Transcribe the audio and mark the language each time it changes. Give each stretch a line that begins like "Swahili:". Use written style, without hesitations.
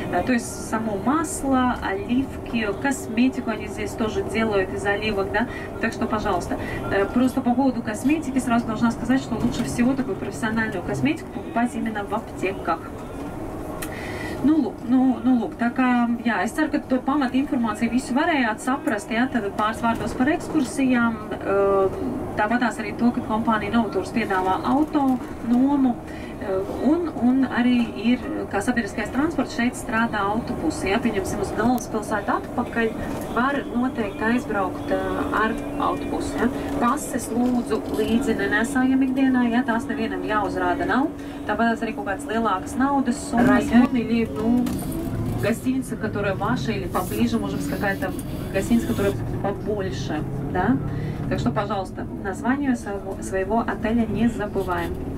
Russian: То есть само масло, оливки, косметику они здесь тоже делают из оливок, да. Так что, пожалуйста, просто по поводу косметики сразу должна сказать, что лучше всего такую профессиональную косметику покупать именно в аптеках.
Latvian: Nu, look, tā kā, jā, es ceru, ka to pamata informāciju visu varējāt saprast, jā, tad pāris vārdos par ekskursijām, tāpatās arī to, ka kompānija Novatūrs piedāvā auto nomu, un arī ir, kā sabiedriskais transports, šeit strādā autobusi, jā, pieņemsim uz galvaspilsētu atpakaļ, var noteikti aizbraukt ar autobusu, jā, pases lūdzu līdzi nenesājam ikdienā, jā, tās nevienam jāuzrāda nav, tāpatās arī kaut kāds lielākas naudas summas, jā.
Russian: Ну, гостиница, которая ваша, или поближе, может быть, какая-то гостиница, которая побольше, да? Так что, пожалуйста, название своего отеля не забываем.